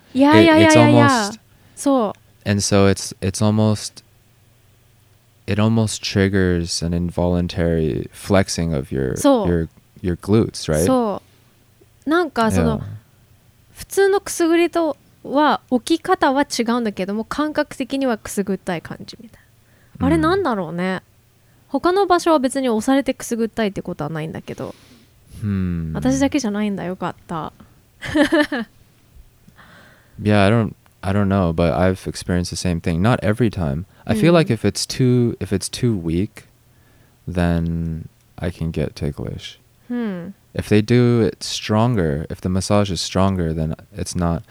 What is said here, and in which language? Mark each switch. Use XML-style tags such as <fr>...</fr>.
<en>And so it almost triggers an involuntary flexing of your glutes, right?</en> <ja>そう。なんかその普通のくすぐりとは起き方は違うんだけども、感覚的にはくすぐったい感じみたいな。あれなんだろうね。他の場所は別に押されてくすぐったいってことはないんだけど、私だけじゃないんだ、よかった。</ja> <en>Yeah, I don't know, but I've experienced the same thing. Not every time. I feel like if it's too weak, then I can get ticklish. If they do it stronger, if the massage is stronger, then it's not.</en>